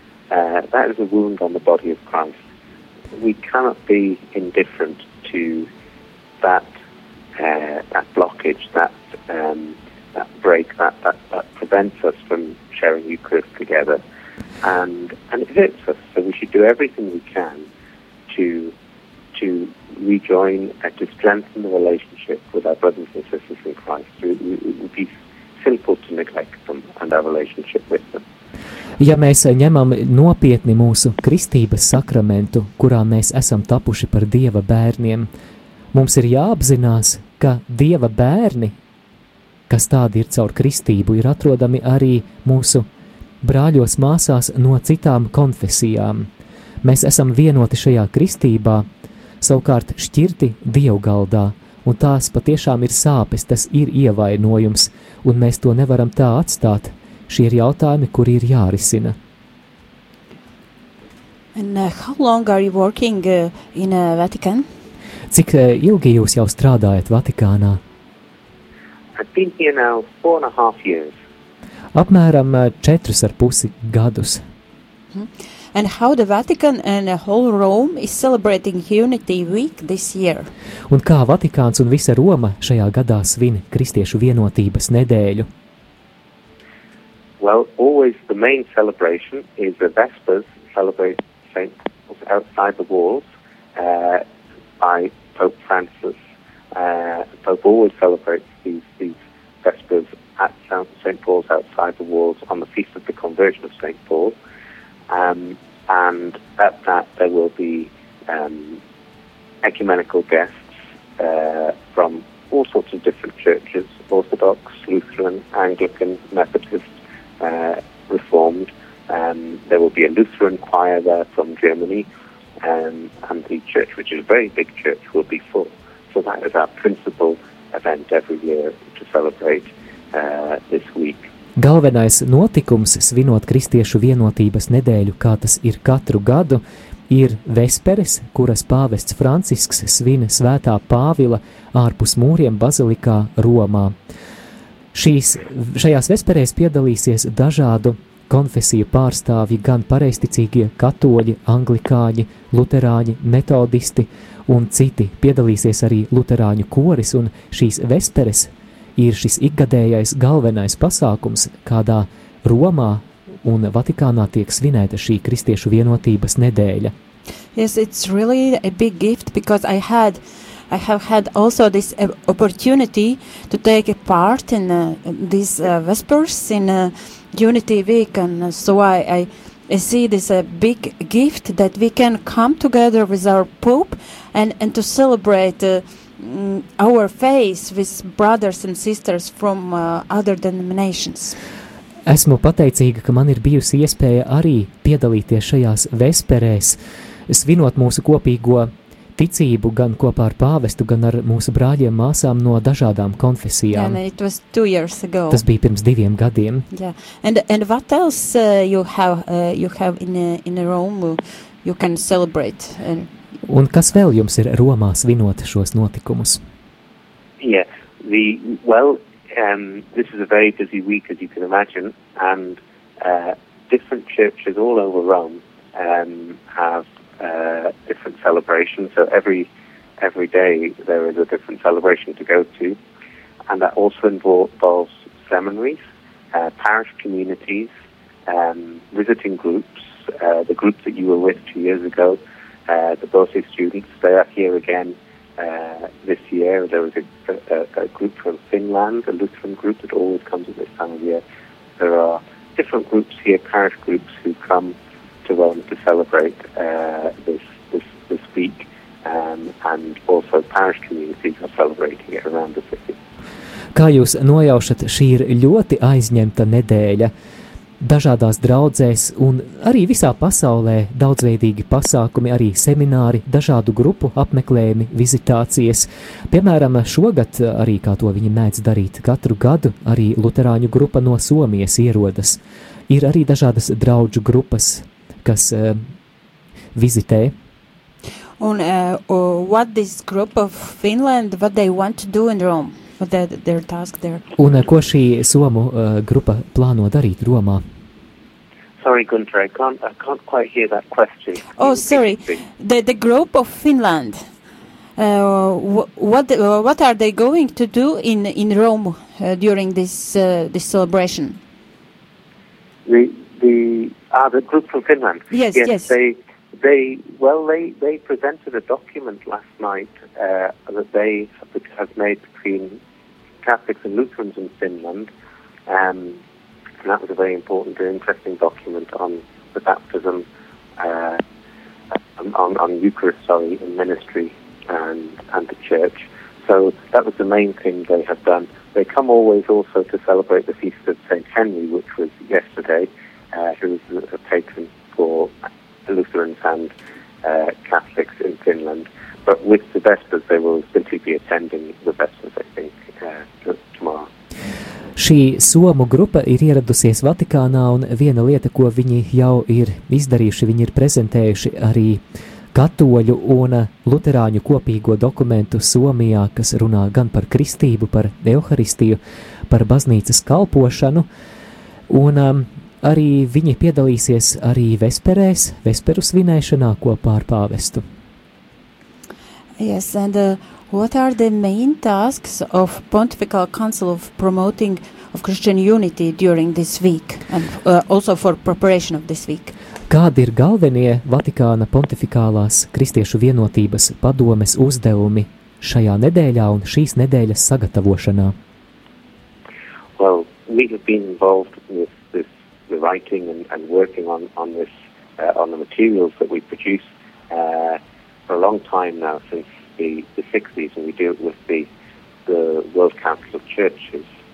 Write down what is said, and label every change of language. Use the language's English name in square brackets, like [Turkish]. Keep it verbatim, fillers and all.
[English] Uh, that is a wound on the body of Christ. We cannot be indifferent to that uh, that blockage, that um, that break, that, that, that prevents us from sharing Eucharist together, and and it hurts us. So we should do everything we can to to rejoin and to strengthen the relationship with our brothers and sisters in Christ. It, it would be simple to neglect them and our relationship with them. [Latvian] Ja mēs ņemam nopietni mūsu kristības sakramentu, kurā mēs esam tapuši par Dieva bērniem, mums ir jāapzinās, ka Dieva bērni kas tādi ir caur kristību, ir atrodami arī mūsu brāļos māsās no citām konfesijām. Mēs esam vienoti šajā kristībā, savukārt šķirti dievgaldā, un tās patiešām ir sāpes, tas ir ievainojums, un mēs to nevaram tā atstāt. Šie ir jautājumi, kuri ir jārisina. [English] And uh, how long are you working uh, in uh, Vatican? [Latvian] Cik uh, ilgi jūs jau strādājat Vatikānā? [English] I've been here now four and a half years. [Latvian] Apmēram uh, četrus ar pusi gadus. Mm-hmm. [English] And how the Vatican and the whole Rome is celebrating Unity Week this year? [Latvian] Un kā Vatikāns un visa Roma šajā gadā svin kristiešu vienotības nedēļu? [English] Well, always the main celebration is the Vespers celebrate Saint Paul's outside the walls uh, by Pope Francis. Uh, Pope always celebrates these, these Vespers at Saint Paul's outside the walls on the feast of the conversion of Saint Paul. Um, and at that there will be um, ecumenical guests uh, from all sorts of different churches, Orthodox, Lutheran, Anglican, Methodist, uh, Reformed. Um, there will be a Lutheran choir there from Germany, um, and the church, which is a very big church, will be full. So that is our principal event every year to celebrate uh, this week. [Latvian] Galvenais notikums, svinot kristiešu vienotības nedēļu, kā tas ir katru gadu, ir vesperes, kuras pāvests Francisks svin svētā Pāvila ārpus mūriem bazilikā Romā. Šīs, šajās vesperēs piedalīsies dažādu konfesiju pārstāvji, gan pareisticīgie katoļi, anglikāņi, luterāņi, metodisti un citi. Piedalīsies arī luterāņu koris, un šīs vesperes ir šis ikgadējais galvenais pasākums, kādā Romā un Vatikānā tiek svinēta šī kristiešu vienotības nedēļa. [English] Yes, it's really a big gift because I had, I have had also this opportunity to take a part in uh, these uh, Vespers in uh, Unity Week, and so I, I, I see this a uh, big gift that we can come together with our Pope and, and to celebrate uh, our faith with brothers and sisters from uh, other denominations. [Latvian] Esmu pateicīga, ka man ir bijusi iespēja arī piedalīties šajās vesperēs, svinot mūsu kopīgo ticību gan kopā ar pāvestu, gan ar mūsu brāļiem māsām no dažādām konfesijām. [English] Yeah, it was two years ago. [Latvian] Tas bija pirms diviem gadiem. [English] Yeah. And and what else uh, you have uh, you have in uh, in Rome you can celebrate? And [Latvian] Un kas vēl jums ir Romā svinot šos notikumus? [English] Yeah, the, well, um, this is a very busy week, as you can imagine, and uh, different churches all over Rome um, have uh, different celebrations, so every every day there is a different celebration to go to, and that also involves seminaries, uh, parish communities, um, visiting groups, uh, the group that you were with two years ago, Uh, the Borsig students, they are here again uh, this year. There was a, a, a group from Finland, a Lutheran group that always comes at this time of year. There are different groups here, parish groups, who come to Rome to celebrate uh, this, this this week, um, and also parish communities are celebrating it around the city. [Latvian] Kā jūs nojaušat, šī ir ļoti aizņemta nedēļa. Dažādās draudzēs un arī visā pasaulē daudzveidīgi pasākumi, arī semināri, dažādu grupu apmeklējumi, vizitācijas. Piemēram, šogad arī, kā to viņi mēdz darīt katru gadu, arī luterāņu grupa no Somijas ierodas. Ir arī dažādas draudžu grupas, kas uh, vizitē. [English] Un uh, what this group of Finland, what they want to do in Rome? Their, their task there. [Latvian] Un ko šī Somu uh, grupa plāno darīt Romā? [English] Sorry, Gunther, I can't, I can't quite hear that question. Oh, sorry. The, the group of Finland, uh, what, what are they going to do in, in Rome uh, during this, uh, this celebration? The, the, ah, the group from Finland? Yes, yes. yes. They, They well, they, they presented a document last night uh, that they have made between Catholics and Lutherans in Finland, um, and that was a very important and interesting document on the baptism, uh, on, on Eucharist, sorry, in ministry and, and the Church. So that was the main thing they have done. They come always also to celebrate the feast of Saint Henry, which was yesterday, uh, who is a patron for Lutherans and uh, Catholics in Finland. But with the Vespers, they will simply be attending the Vespers, I think, uh, tomorrow. [Latvian] Šī somu grupa ir ieradusies Vatikānā, un viena lieta, ko viņi jau ir izdarījuši, viņi ir prezentējuši arī katoļu un luterāņu kopīgo dokumentu Somijā, kas runā gan par kristību, par evaharistiju, par baznīcas kalpošanu, un um, arī viņi piedalīsies arī vesperēs, vesperu svinēšanā kopā ar pāvestu. [English] Yes, and uh, what are the main tasks of Pontifical Council of promoting of Christian unity during this week and uh, also for preparation of this week? [Latvian] Kādi ir galvenie Vatikāna pontifikālās kristiešu vienotības padomes uzdevumi šajā nedēļā un šīs nedēļas sagatavošanā? [English] Well, we have been involved with this, the writing and, and working on, on this, uh, on the materials that we produce uh, for a long time now, since the, the sixties, and we do it with the, the World Council of Churches.